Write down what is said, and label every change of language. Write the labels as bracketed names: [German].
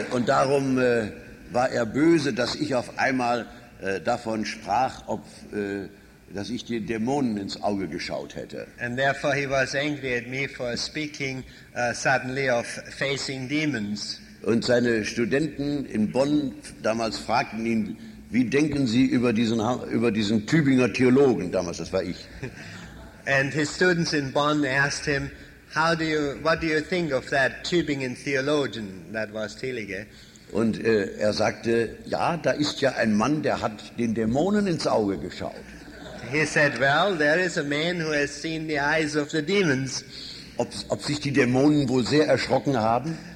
[German] Und darum war er böse, dass ich auf einmal davon sprach, ob dass ich den Dämonen ins Auge geschaut hätte. [English] And therefore he was angry at me for speaking suddenly of facing demons. [German] Und seine Studenten in Bonn damals fragten ihn, wie denken Sie über diesen Tübinger Theologen, damals das war ich. [English] And his students in Bonn asked him, what do you think of that Tübingen theologian, that was Thielicke? [German] Und er sagte, ja, da ist ja ein Mann, der hat den Dämonen ins Auge geschaut. [English] He said, well, there is a man who has seen the eyes of the demons. [German] Ob sich die Dämonen wohl sehr erschrocken haben?